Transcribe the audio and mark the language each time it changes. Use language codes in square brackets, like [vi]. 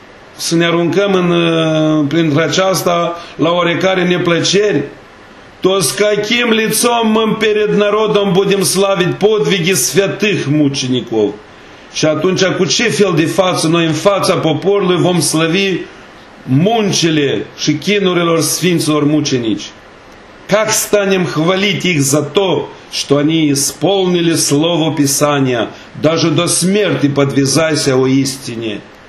[ro] să ne aruncăm printre aceasta la oarecare neplăceri, [ru] то с каким лицом мы перед народом будем славить подвиги святых мучеников? [ro] Și atunci, cu ce fel de față noi în fața poporului vom slăvi muncile și chinurilor sfinților mucenici? [ru] Как станем хвалить их за то, что они исполнили слово Писания, даже до смерти подвязайся о истине?